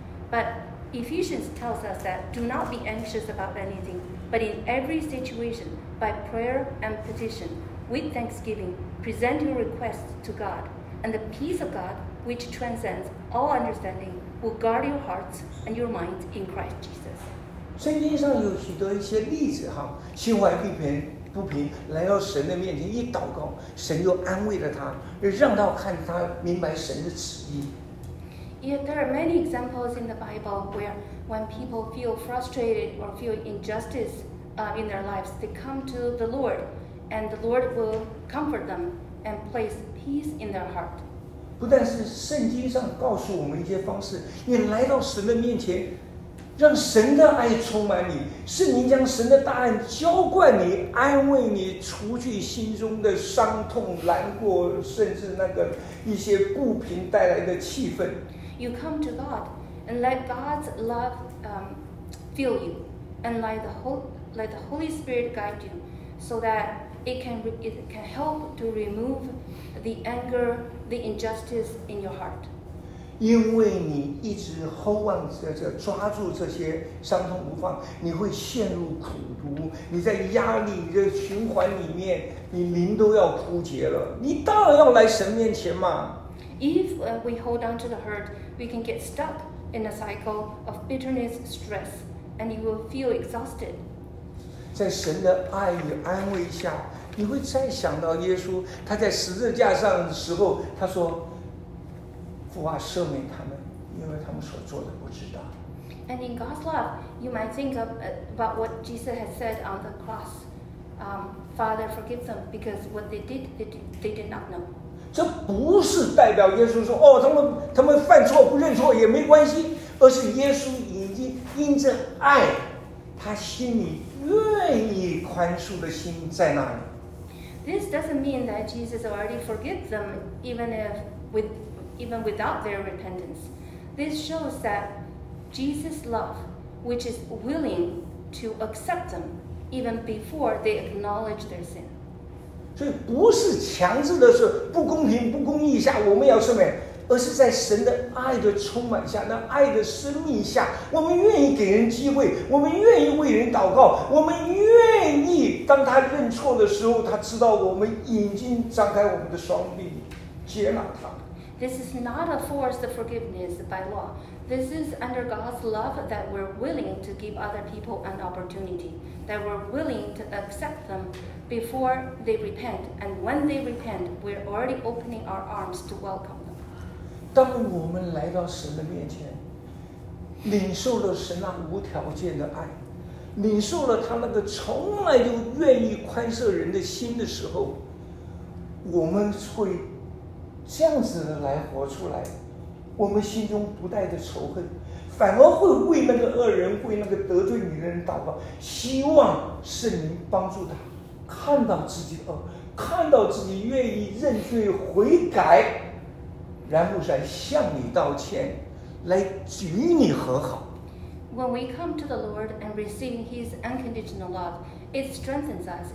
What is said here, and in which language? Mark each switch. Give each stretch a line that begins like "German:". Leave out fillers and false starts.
English: But Ephesians tells us that do not be anxious about anything, but in every situation, by prayer and petition, with thanksgiving, present your requests to God, and the peace of God, which transcends all understanding, will guard your hearts and your minds in Christ Jesus.
Chinese: 圣经上有许多一些例子哈，心怀不平。不平来到神的面前一祷告，神就安慰了他，让他看他明白神的旨意。
English: Yet there are many examples in the Bible where when people feel frustrated or feel injustice in their lives, they come to the Lord, and the Lord will comfort them and place peace in their heart.
Chinese: 不但是圣经上告诉我们一些方式，你来到神的面前，让神的爱充满你，圣灵将神的大爱浇灌你，安慰你，除去心中的伤痛、难过，甚至那个一些不平带来的气愤。
English: You come to God and let God's love fill you, and let the Holy Spirit guide you, so that it can help to remove the anger, the injustice in your heart.
Chinese: 因为你一直 hold 望着抓住这些伤痛不放，你会陷入苦毒，你在压力的循环里面，你灵都要枯竭了。你当然要来神面前嘛。
English: If we hold on to the hurt, we can get stuck in a cycle of bitterness, stress, and you will feel exhausted.
Chinese: 在神的爱与安慰下，你会再想到耶稣，他在十字架上的时候，他说。父啊，赦免他们，因为他们所做的不知道。
English: And in God's love, you might think about what Jesus had said on the cross. Father, forgive them, because what they did, they did not know.
Chinese: 这不是代表耶稣说，哦，他们犯错不认错也没关系，而是耶稣已经因着爱，他心里愿意宽恕的心在那里。
English: This doesn't mean that Jesus already forgives them, even without their repentance. This shows that Jesus' love, which is willing to accept them even before they acknowledge their sin.
Chinese: 所以不是强制的是不公平不公义下我们要赦免，而是在神的爱的充满下，那爱的生命下，我们愿意给人机会，我们愿意为人祷告，我们愿意当他认错的时候，他知道我们已经张开我们的双臂接纳他。
English: This is not a forced forgiveness by law. This is under God's love that we're willing to give other people an opportunity, that we're willing to accept them before they repent. And when they repent, we're already opening our arms to welcome them.
Chinese: 当我们来到神的面前，领受了神那无条件的爱，领受了他那个从来就愿意宽赦人的心的时候，我们会这样子来活出来，我们心中不带着仇恨，反而会为那个恶人，为那个得罪你的人祷告，希望圣灵帮助他看到自己的恶，看到自己愿意认罪悔改，然后再向你道歉，来与你和好。
English: When we come to the Lord and receive His unconditional love, it strengthens us.